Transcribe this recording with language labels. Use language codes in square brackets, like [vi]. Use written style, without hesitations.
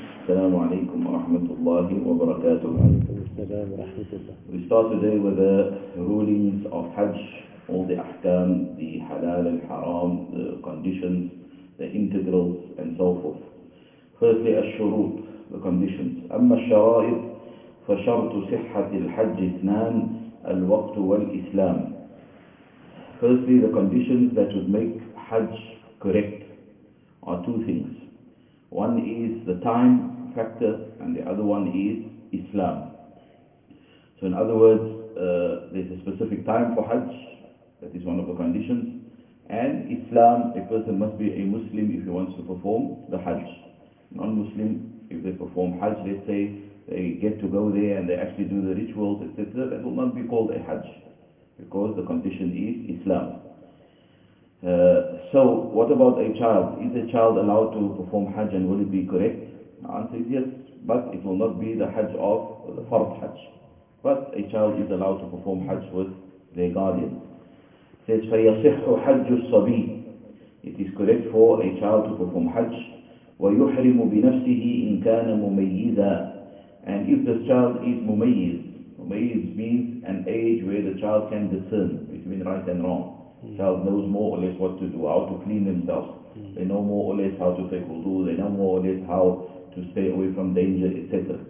[ar] السلام عليكم ورحمة الله وبركاته. وعليكم السلام ورحمة الله. [en] We start today with the rulings of Hajj, all the ahkam, the halal and haram, the conditions, the integrals, and so forth. Firstly, الشروط, the conditions. [ar] أما الشرائط فشرط صحة الحج اثنان الوقت والإسلام. [en] Firstly, the conditions that would make Hajj correct are two things. One is the time factor and the other one is Islam. So in other words, there's a specific time for Hajj, that is one of the conditions, and Islam, a person must be a Muslim if he wants to perform the Hajj. Non-Muslim, if they perform Hajj, let's say they get to go there and they actually do the rituals, etc., that will not be called a Hajj, because the condition is Islam. So, what about a child? Is a child allowed to perform Hajj and will it be correct? The answer is yes, but it will not be the Hajj of the Fard Hajj. But a child is allowed to perform Hajj with their guardian. [ar] It says, فَيَصِحُ حَجُّ الصَّبِي. [en] It is correct for a child to perform Hajj. [ar] وَيُحْرِمُ بِنَفْسِهِ إِن كَانَ مُمَيِّذًا. [en] And if this child is mumayyiz, mumayyiz means an age where the child can discern between right and wrong. Child knows more or less what to do, how to clean themselves. They know more or less how to take wudu, they know more or less how to stay away from danger, etc.